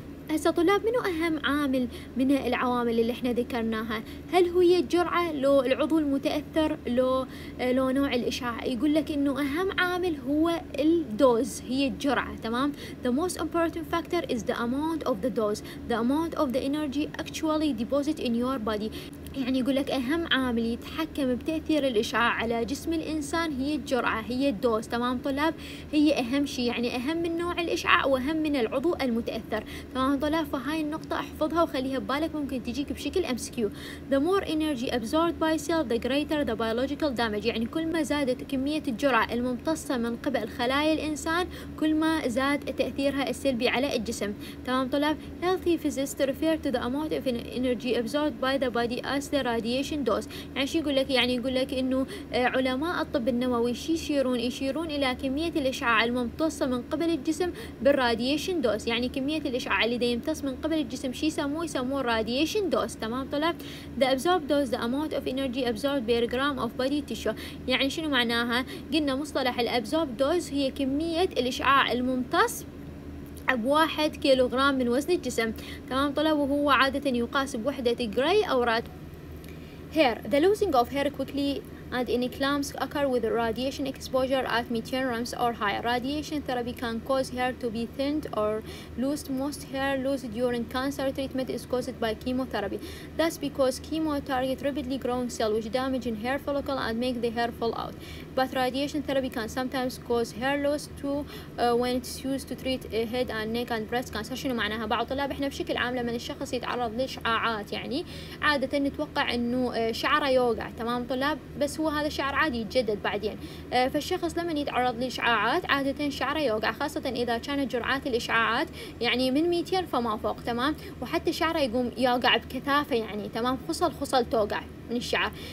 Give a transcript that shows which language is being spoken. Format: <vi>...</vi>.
<ar>هسا طلاب منو أهم عامل من العوامل اللي احنا ذكرناها؟ هل هو الجرعة، لو العضو المتأثر، لو نوع الإشعاع؟ يقول لك انه أهم عامل هو الدوز، هي الجرعة، تمام؟</ar> <en>The most important factor is the amount of the dose, the amount of the energy actually deposit in your body.</en> <ar>يعني يقول لك أهم عامل يتحكم بتأثير الإشعاع على جسم الإنسان هي الجرعة، هي الدوز، تمام طلاب؟ هي أهم شيء، يعني أهم من نوع الإشعاع وأهم من العضو المتأثر، تمام طلاب؟ فهاي النقطة احفظها وخليها ببالك، ممكن تجيك بشكل MCQ.</ar> <en>The more energy absorbed by cell the greater the biological damage،</en> <ar>يعني كل ما زادت كمية الجرعة الممتصة من قبل خلايا الإنسان كل ما زاد تأثيرها السلبي على الجسم، تمام طلاب؟</ar> <en>Healthy physicists refer to the amount of energy absorbed by the body as the radiation dose.</en> <ar>يعني شو يقول لك؟ يعني يقول لك انه علماء الطب النووي شي يشيرون الى كمية الاشعاع الممتصة من قبل الجسم بالراديشن دوز، يعني كمية الاشعاع اللي دا يمتص من قبل الجسم شي يسموه الراديشن دوز، تمام طلاب؟</ar> <en>the absorbed dose the amount of energy absorbed per gram of body tissue.</en> <ar>يعني شنو معناها؟ قلنا مصطلح الabsorbed dose هي كمية الاشعاع الممتص بواحد كيلوغرام من وزن الجسم، تمام طلاب؟ وهو عادة يقاس بوحدة جراي أو راد هير.</ar> <en>The losing of hair quickly and in clumps occur with radiation exposure at meteorums or higher. Radiation therapy can cause hair to be thinned or lost. Most hair lost during cancer treatment is caused by chemotherapy. That's because chemo target rapidly growing cell which damage in hair follicle and make the hair fall out. But radiation therapy can sometimes cause hair loss too when it's used to treat head and neck and breast cancer.</en> <ar>شنو معناها؟ بعض الطلاب احنا بشكل عام لما الشخص يتعرض لإشعاعات يعني عادة نتوقع انه شعره يوقع، تمام طلاب؟ بس هو هذا الشعر عادي يتجدد بعدين، فالشخص لما يتعرض لإشعاعات عادة شعره يوقع، خاصة إذا كانت جرعات الإشعاعات يعني من 200 فما فوق، تمام؟ وحتى شعره يقوم يوقع بكثافة يعني، تمام؟ خصل توقع من الشعر.</ar>